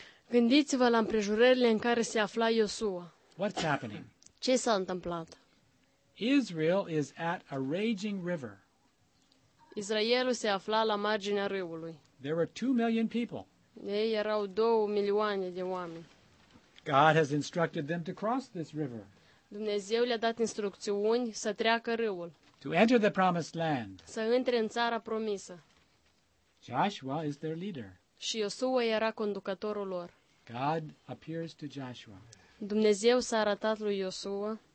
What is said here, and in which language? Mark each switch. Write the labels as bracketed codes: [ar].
[ro] Gândiți-vă la împrejurările în care se afla Iosua. [en] What's happening? [ro] Ce s-a întâmplat? [en] Israel is at a raging river. [ro] Israelul se afla la marginea râului. [en] There were 2 million people. [ro] Ei erau 2 milioane de oameni. [en] God has instructed them to cross this river. [ro] Dumnezeu le-a dat instrucțiuni să treacă râul. [en] To enter the promised land. [ro] Să intre în țara promisă. [en] Joshua is their leader. [ro] Și Iosua era conducătorul lor. [en] God appears to Joshua. [ro] Dumnezeu s-a arătat lui Iosua.